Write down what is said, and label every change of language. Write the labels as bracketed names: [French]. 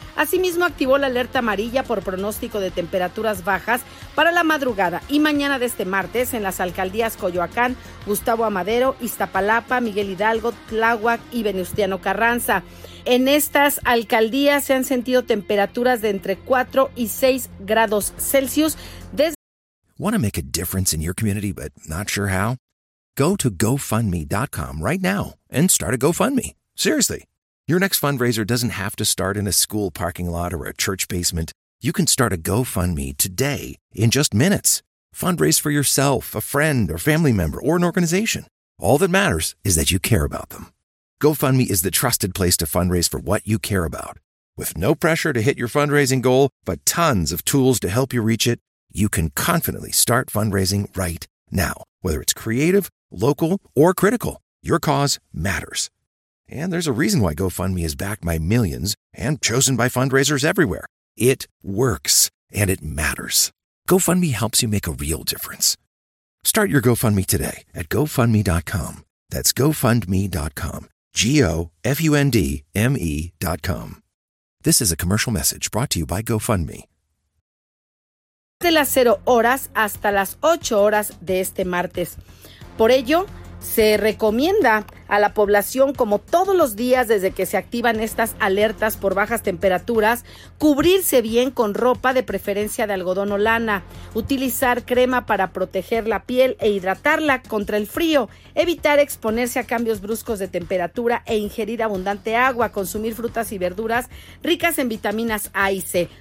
[Spanish] Asimismo, activó la alerta amarilla por pronóstico de temperaturas bajas para la madrugada y mañana de este martes en las alcaldías Coyoacán, Gustavo Amadero, Iztapalapa, Miguel Hidalgo, Tláhuac y Venustiano Carranza. En estas alcaldías se han sentido temperaturas de entre 4 y 6 grados Celsius desde... [English] Want to make a difference in your community but not sure how? Go to GoFundMe.com right now and start a GoFundMe. Seriously. Your next fundraiser doesn't have to start in a school parking lot or a church basement. You can start a GoFundMe today in just minutes. Fundraise for yourself, a friend, or family member, or an organization. All that matters is that you care about them. GoFundMe is the trusted place to fundraise for what you care about. With no pressure to hit your fundraising goal, but tons of tools to help you reach it, you can confidently start fundraising right now. Whether it's creative, local, or critical, your cause matters. And there's a reason why GoFundMe is backed by millions and chosen by fundraisers everywhere. It works, and it matters. GoFundMe helps you make a real difference. Start your GoFundMe today at GoFundMe.com. That's GoFundMe.com. GoFundMe.com. This is a commercial message brought to you by GoFundMe. [Spanish] De las 0 horas hasta las 8 horas de este martes. Por ello, se recomienda a la población, como todos los días desde que se activan estas alertas por bajas temperaturas, cubrirse bien con ropa, de preferencia de algodón o lana, utilizar crema para proteger la piel e hidratarla contra el frío, evitar exponerse a cambios bruscos de temperatura e ingerir abundante agua, consumir frutas y verduras ricas en vitaminas A y C.